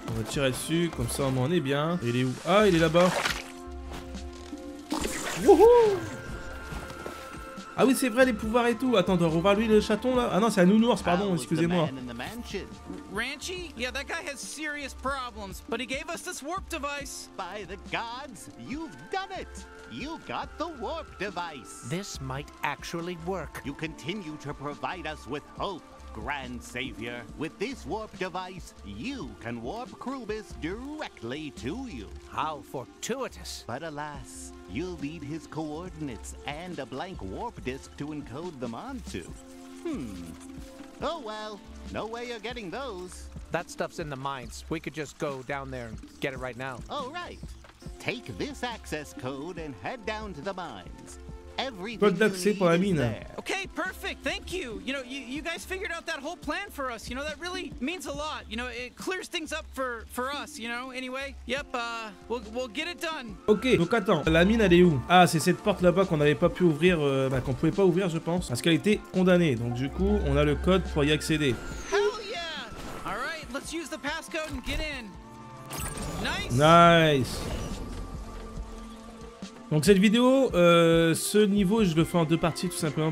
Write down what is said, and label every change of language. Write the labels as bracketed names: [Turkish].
[French] On va tirer dessus, comme ça on en est bien. Il est où? Ah il est là-bas. Wouhou! Ah oui c'est vrai les pouvoirs et tout. Attends, on doit revoir lui le chaton là. Ah non c'est un nounours, pardon, excusez-moi. Ranchi? [English] Yeah, that guy has serious problems, but he gave us this warp device. By the gods, you've done it. You got the warp device. This might actually work. You continue to provide us with hope, Grand Savior. With this warp device, you can warp Krubis directly to you. How fortuitous. But alas, you'll need his coordinates and a blank warp disk to encode them onto. Oh well, no way you're getting those. That stuff's in the mines. We could just go down there and get it right now. Oh right. Take this access code and head down to the mines. Everything you need is there. Okay, perfect. Thank you. You know, you guys figured out that whole plan for us. You know, that really means a lot. You know, it clears things up for us, you know. Anyway, yep, we'll get it done. [French] OK, donc attends, la mine elle est où? Ah, c'est cette porte là-bas qu'on n'avait pas pu ouvrir qu'on pouvait pas ouvrir, je pense, parce qu'elle était condamnée. Donc du coup, on a le code pour y accéder. [English] Hell yeah. All right, let's use the passcode and get in. Nice. Nice. [French] Donc cette vidéo, ce niveau, je le fais en deux parties tout simplement.